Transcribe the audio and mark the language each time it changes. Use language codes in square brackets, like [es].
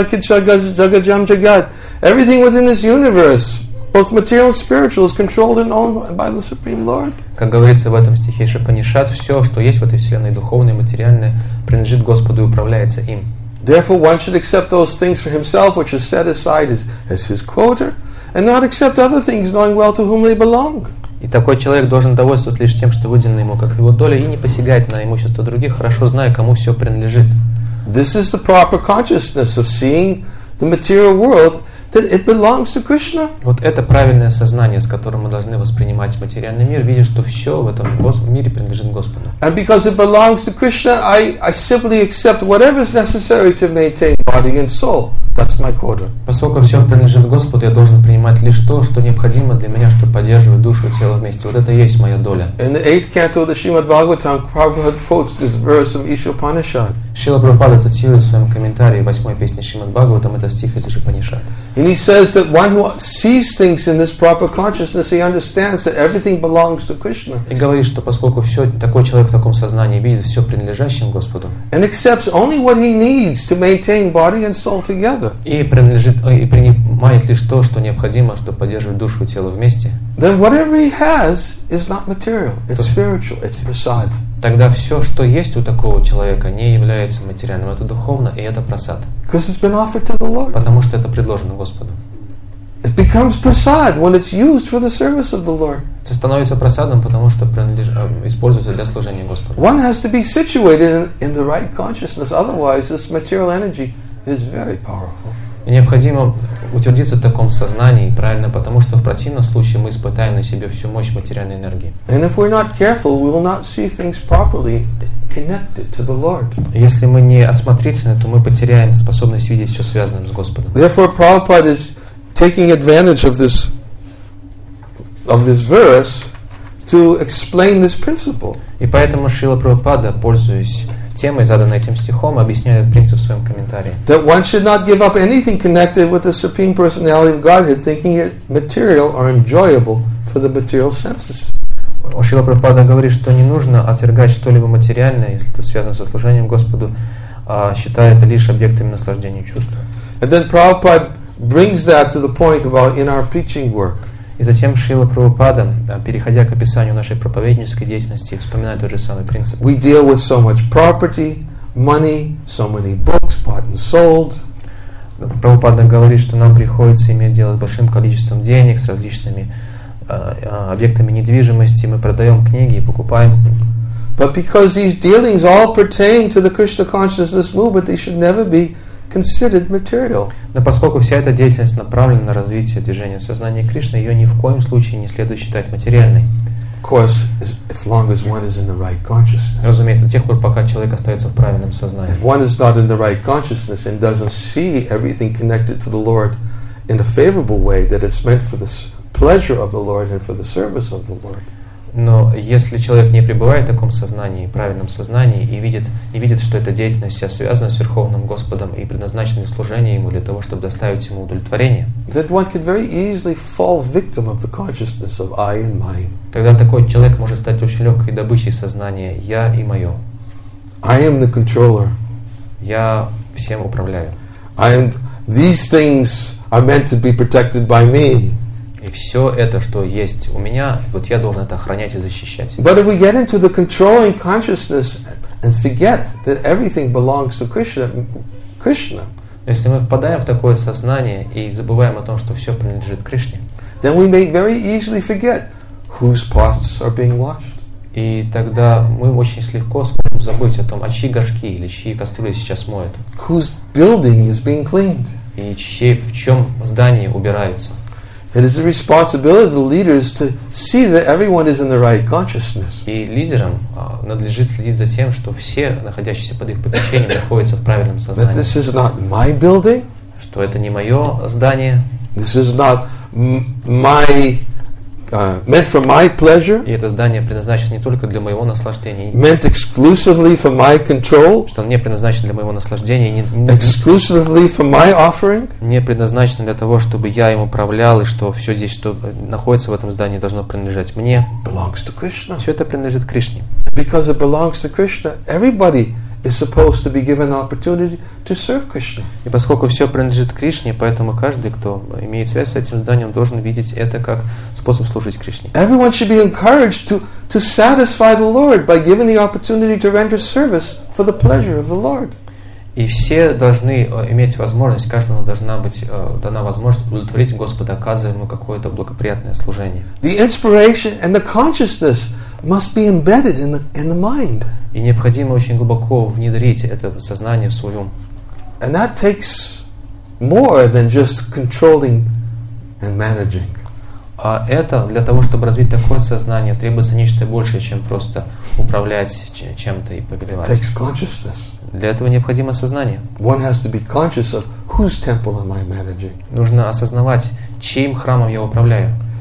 [en] Everything within this universe, both material and spiritual, is controlled and owned by the Supreme Lord. [ru] Как говорится в этом стихе Шапанишат, все, что есть в этой вселенной, духовное, материальное, принадлежит Господу и управляется им. [en] Therefore, one should accept those things for himself, which are set aside as his quota, and not accept other things, knowing well to whom they belong. [ru] И такой человек должен довольствоваться лишь тем, что выделено ему как его доля, и не посягать на имущество других, хорошо зная, кому все принадлежит. [en] This is the proper consciousness of seeing the material world that it belongs to Krishna. [ru] Вот это правильное сознание, с которым мы должны воспринимать материальный мир, видя, что все в этом мире принадлежит Господу. [en] And because it belongs to Krishna, I simply accept whatever is necessary to maintain body and soul. That's my quota. [ru] Поскольку все принадлежит Господу, я должен принимать лишь то, что необходимо для меня, чтобы поддерживать душу и тело вместе. Вот это и есть моя доля. [en] In the 8th canto of the Srimad Bhagavatam, Prabhupada quotes this verse from Isha Upanishad. [ru] Шрила Прабхупада цитирует в своем комментарии 8-й песни Шримад Бхагаватам это стих из Упанишад. [en] And he says that one who sees things in this proper consciousness, he understands that everything belongs to Krishna. [ru] И говорит, что поскольку все, такой человек в таком сознании видит все принадлежащим Господу. [en] And accepts only what he needs to maintain body and soul together. [ru] И принимает лишь то, что необходимо, чтобы поддерживать душу и тело вместе. [en] Then whatever he has is not material, it's spiritual, it's prasad. [ru] Тогда все, что есть у такого человека, не является материальным, это духовно, и это прасад. [en] Because it's been offered to the Lord. [ru] Потому что это предложено Господу. [en] It becomes prasad when it's used for the service of the Lord. [ru] Это становится прасадом, потому что используется для служения Господу. [en] One has to be situated in the right consciousness, otherwise this material energy is very powerful. [ru] И необходимо утвердиться в таком сознании, правильно, потому что в противном случае мы испытаем на себе всю мощь материальной энергии. [en] And if we're not careful, we will not see things properly connected to the Lord. [ru] Если мы не осмотрительны, то мы потеряем способность видеть все связанное с Господом. [en] Therefore, Prabhupada is taking advantage of this verse to explain this principle. [ru] И поэтому Шрила Прабхупада, пользуясь темой, заданной этим стихом, объясняет этот принцип в своем комментарии. [en] That one should not give up anything connected with the Supreme Personality of Godhead, thinking it material or enjoyable for the material senses. [ru] Шрила Прабхупада говорит, что не нужно отвергать что-либо материальное, если это связано со служением Господу, считая это лишь объектами наслаждения чувств. [en] And then Prabhupada brings that to the point about in our preaching work. [ru] И затем Шрила Прабхупада, переходя к описанию нашей проповеднической деятельности, вспоминает тот же самый принцип. [en] We deal with so much property, money, so many books bought and sold. [ru] Прабхупада говорит, что нам приходится иметь дело с большим количеством денег, с различными объектами недвижимости. Мы продаем книги и покупаем. [en] But because these dealings all pertain to the Krishna consciousness movement, they should never be considered material. [ru] Но поскольку вся эта деятельность направлена на развитие движения сознания Кришны, ее ни в коем случае не следует считать материальной. [en] Of course, as long as one is in the right consciousness. [ru] Разумеется, до тех пор, пока человек остается в правильном сознании. [en] If one is not in the right consciousness and doesn't see everything connected to the Lord in a favorable way, that it's meant for the pleasure of the Lord and for the service of the Lord. [ru] Но если человек не пребывает в таком сознании, правильном сознании, и видит, не видит, что эта деятельность вся связана с Верховным Господом и предназначена для служения Ему для того, чтобы доставить Ему удовлетворение, [en] that one can very easily fall victim of the consciousness of I and mine. [ru] Тогда такой человек может стать очень легкой добычей сознания «я и мое». [en] I am the controller. [ru] Я всем управляю. [en] I am, these things are meant to be protected by me. [ru] И все это, что есть у меня, вот я должен это охранять и защищать. [en] But if we get into the controlling consciousness and forget that everything belongs to Krishna, [ru] если мы впадаем в такое сознание и забываем о том, что все принадлежит Кришне, [en] then we may very easily forget whose pots are being washed. [ru] И тогда мы очень легко сможем забыть о том, а чьи горшки или чьи кастрюли сейчас моют. [en] Whose building is being cleaned? [ru] И чьи, в чем здание убирается? [en] It is the responsibility of the leaders to see that everyone is in the right consciousness. [ru] И лидерам надлежит следить за тем, что все находящиеся под их попечением находятся в правильном сознании. [en] That this is not my building. [ru] Что это не мое здание. [en] This is not my meant for my pleasure. [ru] И это здание предназначено не только для моего наслаждения. [en] Meant exclusively for my control. [ru] Что мне предназначено для моего наслаждения. [en] Exclusively for my offering. [ru] Не предназначено для того, чтобы я им управлял, и что все здесь, что находится в этом здании, должно принадлежать мне. [en] Belongs to Krishna. [ru] Все это принадлежит Кришне. [en] Because it belongs to Krishna, everybody is supposed to be given the opportunity to serve Krishna. [ru] И поскольку все принадлежит Кришне, поэтому каждый, кто имеет связь с этим зданием, должен видеть это как способ служить Кришне. [en] Everyone should be encouraged to satisfy the Lord by giving the opportunity to render service for the pleasure of the Lord. [ru] И все должны иметь возможность, каждому должна быть дана возможность удовлетворить Господа, оказывая ему какое-то благоприятное служение. [en] The inspiration and the consciousness must be embedded in the mind. [ru] И необходимо очень глубоко внедрить это сознание в свой ум. [en] And that takes more than just controlling and managing. [ru] А это для того, чтобы развить такое сознание, требуется нечто большее, чем просто управлять чем-то и повелевать. [en] It takes consciousness. [ru] Для этого необходимо сознание. [en] One has to be conscious of whose temple am I managing. [ru] Нужно осознавать, чьим храмом я управляю.